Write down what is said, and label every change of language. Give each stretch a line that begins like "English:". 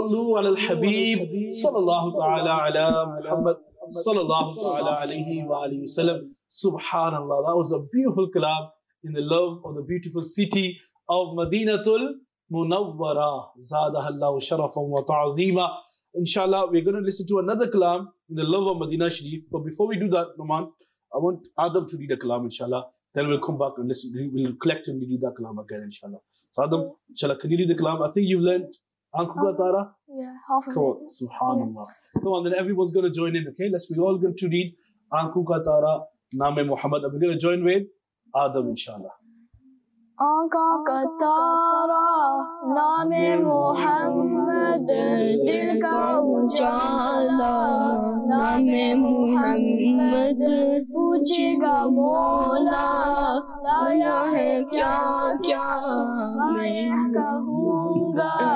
Arabic: صلو علی الحبیب صلی اللہ تعالی علی محمد صلی اللہ تعالی علیہ وآلہ وسلم سبحان اللہ.
English: That was a beautiful kalam in the love of the beautiful city of Madinatul Munawwara.
Arabic: زادہ اللہ شرفا و تعظیما.
English: Inshallah, we're going to listen to another kalam in the love of Madina Sharif. But before we do that, Noman, I want Adam to read a kalam, inshallah. Then we'll come back and listen. We'll collectively read that kalam again, inshallah. So Adam, inshallah, can you read the kalam? I think you've learned Ankhugatara. Yeah, half of it. Come on, subhanAllah. Come on, then everyone's going to join in, okay? Let's, we're all going to read Ankhugatara, Name Muhammad. And we're going to join with Adam, inshallah.
Urdu: آنکھا کا تارا نام محمد دل کا اجالا نام محمد پوچھے گا مولا لایا ہے کیا کیا میں کہوں گا